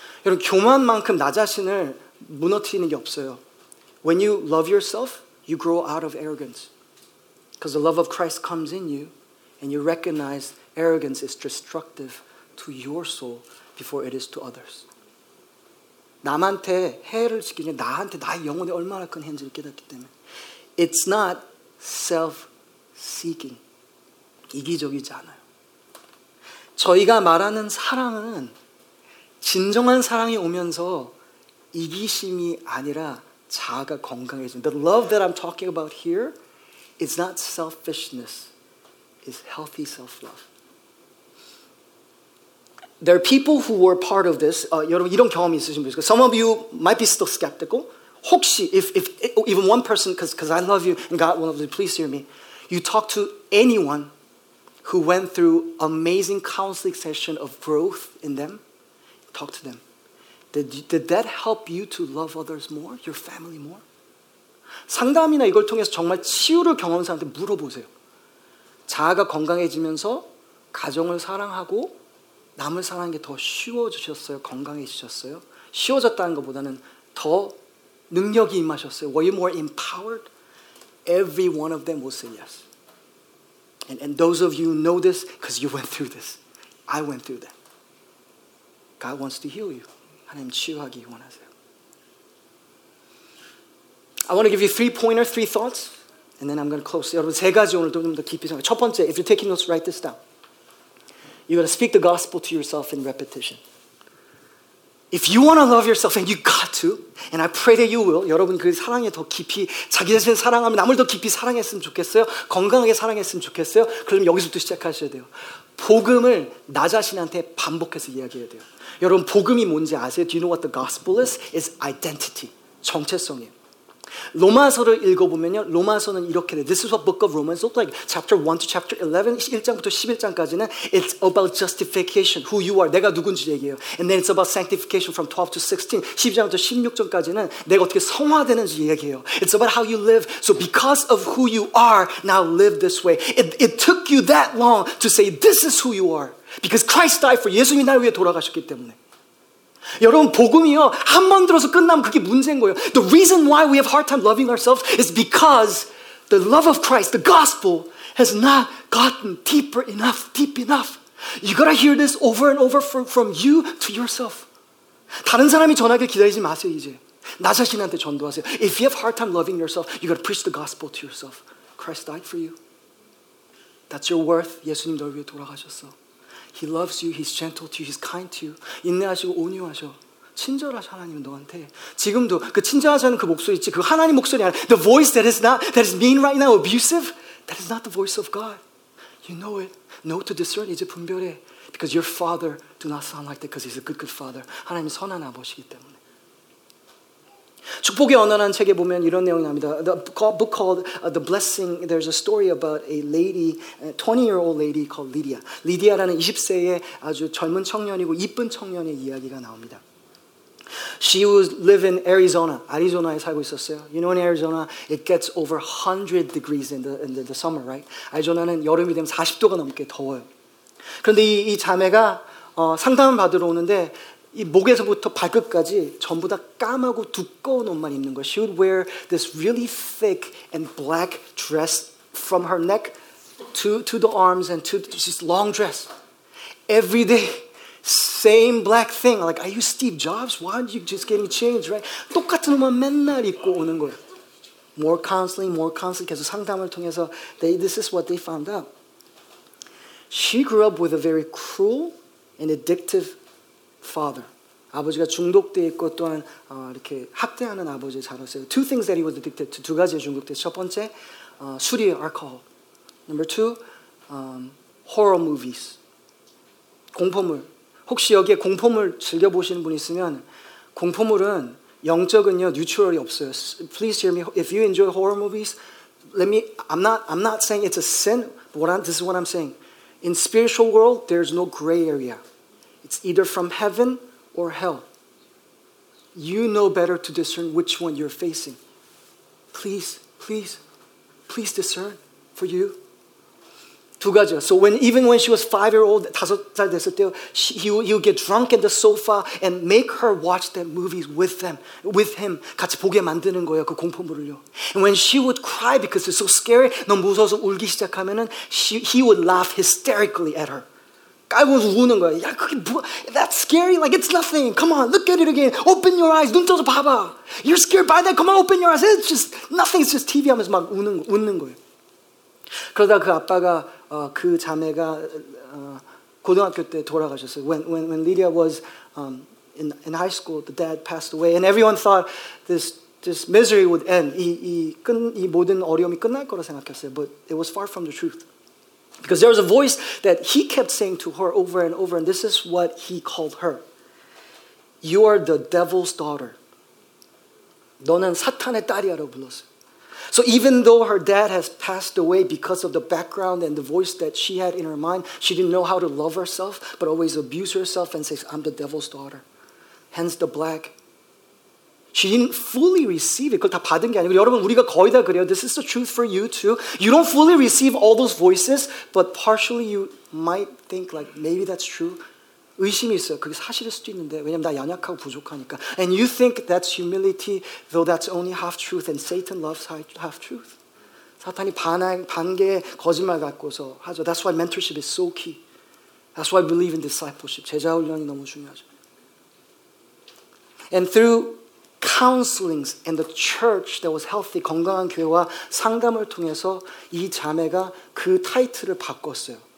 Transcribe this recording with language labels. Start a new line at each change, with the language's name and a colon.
Korean: 여러분, 교만만큼 나 자신을 무너뜨리는 게 없어요.
English: When you love yourself, you grow out of arrogance. Because the love of Christ comes in you, and you recognize arrogance is destructive to your soul before it is to others.
Korean: 남한테 해를 시키냐, 나한테, 나의 영혼에 얼마나 큰 해인지를 깨닫기 때문에.
English: It's not self-seeking.
Korean: 이기적이지 않아요. 저희가 말하는 사랑은 진정한 사랑이 오면서 이기심이 아니라 자아가 건강해진.
English: The love that I'm talking about here is not selfishness. It's healthy self-love. There are people who were part of this.
Korean: 여러분 이런 경험이 있으신 분 있을까요?
English: Some of you might be still skeptical.
Korean: 혹시
English: if even one person, because I love you and God will love you, please hear me. You talk to anyone who went through amazing counseling session of growth in them, talk to them. Did that help you to love others more, your family more?
Korean: 상담이나 이걸 통해서 정말 치유를 경험한 사람한테 물어보세요. 자아가 건강해지면서 가정을 사랑하고 남을 사랑하는 게 더 쉬워지셨어요. 건강해지셨어요. 쉬워졌다는 것보다는 더 능력이 임하셨어요.
English: Were you more empowered? Every one of them will say yes. And those of you who know this because you went through this. I went through that. God wants to heal you.
Korean: 하나님 치유하기 원하세요.
English: I want to give you three pointers, three thoughts. And then I'm going to close.
Korean: 여러분 세 가지 오늘 좀 더 깊이 생각. 첫 번째,
English: if you're taking notes, write this down. You got to speak the gospel to yourself in repetition. If you want to love yourself, and you got to, and I pray that you will.
Korean: 여러분 그 사랑에 더 깊이 자기 자신을 사랑하면 남을 더 깊이 사랑했으면 좋겠어요. 건강하게 사랑했으면 좋겠어요. 그럼 여기서부터 시작하셔야 돼요. 복음을 나 자신한테 반복해서 이야기해야 돼요. 여러분 복음이 뭔지 아세요?
English: Do you know what the gospel is? It's identity.
Korean: 정체성이에요. 로마서를 읽어보면요. 로마서는 이렇게 돼요.
English: This is what book of Romans looks like. Chapter 1 to chapter 11,
Korean: 1장부터 11장까지는
English: It's about justification, who you are.
Korean: 내가 누군지 얘기해요.
English: And then it's about sanctification from 12 to 16.
Korean: 12장부터 16장까지는 내가 어떻게 성화되는지 얘기해요.
English: It's about how you live. So because of who you are, now live this way. It took you that long to say this is who you are. Because Christ died for you.
Korean: 예수님이 나 위해 돌아가셨기 때문에. 여러분 복음이요 한 번 들어서 끝나면 그게 문제인 거예요.
English: The reason why we have hard time loving ourselves is because the love of Christ, the gospel, has not gotten deeper enough, deep enough. You gotta hear this over and over from you to yourself.
Korean: 다른 사람이 전하길 기다리지 마세요 이제. 나 자신한테 전도하세요.
English: If you have hard time loving yourself, you gotta preach the gospel to yourself. Christ died for you. That's your worth.
Korean: 예수님 너를 위해 돌아가셨어.
English: He loves you. He's gentle to you. He's kind to you.
Korean: 인내하시고 온유하셔. 친절하셔 하나님 너한테. 지금도 그 친절하시는 그 목소리 있지. 그 하나님 목소리 아니야.
English: The voice that is not, that is mean right now, abusive, that is not the voice of God. You know it. Know to discern.
Korean: 이제 분별해.
English: Because your father do not sound like that because he's a good, good father.
Korean: 하나님 선한 아버지이기 때문에. 축복의 언어라는 책에 보면 이런 내용이 나옵니다.
English: The book called The Blessing, there's a story about a lady, a 20-year-old lady called Lydia.
Korean: Lydia라는 20세의 아주 젊은 청년이고 이쁜 청년의 이야기가 나옵니다.
English: She would live in Arizona.
Korean: Arizona에 살고 있었어요.
English: You know in Arizona, it gets over 100 degrees in the summer, right?
Korean: Arizona는 여름이 되면 40도가 넘게 더워요. 그런데 이 자매가 상담을 받으러 오는데 이 목에서부터 발끝까지 전부 다 까마고 두꺼운 옷만 입는 거예요.
English: She would wear this really thick and black dress from her neck to the arms and to this long dress. Every day, same black thing. Like, are you Steve Jobs? Why aren't you just getting changed, right?
Korean: 똑같은 옷만 맨날 입고 오는 거예요.
English: More counseling.
Korean: 계속 상담을 통해서
English: this is what they found out. She grew up with a very cruel and addictive father.
Korean: 아버지가 중독되어 있고 또한 이렇게 학대하는 아버지 자랐어요.
English: Two things that he was addicted to.
Korean: 두 가지에 중독돼. 첫 번째, 술이
English: alcohol. Number two, horror movies.
Korean: 공포물. 혹시 여기에 공포물 즐겨보시는 분 있으면 공포물은 영적은요, 뉴트럴이 없어요.
English: Please hear me. If you enjoy horror movies, I'm not saying it's a sin, but this is what I'm saying. In spiritual world, there's no gray area. It's either from heaven or hell. You know better to discern which one you're facing. Please, please, please discern for you.
Korean: 두 가지.
English: So even when she was 5-year-old,
Korean: 5살 됐을 때,
English: he would get drunk in the sofa and make her watch the movies with him.
Korean: 같이 보게 만드는 거예요, 그 공포물을요.
English: And when she would cry because it's so scary,
Korean: 너무 무서워서 울기 시작하면은,
English: he would laugh hysterically at her.
Korean: 깔고 우는 거야. 야, 그게 뭐,
English: that's scary. Like, it's nothing. Come on, look at it again. Open your eyes.
Korean: 눈 떠서 봐봐.
English: You're scared by that? Come on, open your eyes. It's just nothing. It's just TV
Korean: 하면서 막 웃는 거예요. 그러다 그 아빠가, 그 자매가 고등학교 때 돌아가셨어요.
English: When Lydia was in high school, the dad passed away. And everyone thought this misery would end.
Korean: 이 모든 어려움이 끝날 거라 생각했어요.
English: But it was far from the truth. Because there was a voice that he kept saying to her over and over, and this is what he called her. You are the devil's daughter.
Korean: 너는 사탄의 딸이야라고 불렀어요.
English: So even though her dad has passed away because of the background and the voice that she had in her mind, she didn't know how to love herself, but always abuse herself and says, I'm the devil's daughter. Hence the black. She didn't fully receive it.
Korean: 그걸 다 받은 게 아니고 여러분 우리가 거의 다 그래요.
English: This is the truth for you too. You don't fully receive all those voices, but partially you might think like maybe that's true.
Korean: 의심이 있어요. 그게 사실일 수도 있는데 왜냐면 나 연약하고 부족하니까.
English: And you think that's humility, though that's only half truth. And Satan loves half truth.
Korean: 사탄이 반개 거짓말 갖고서 하죠.
English: That's why mentorship is so key. That's why I believe in discipleship.
Korean: 제자 훈련이 너무 중요하죠.
English: And through counselings and the church that was healthy,
Korean: 건강한 교회와 상담을 통해서 이 자매가 그 타이틀을 바꿨어요.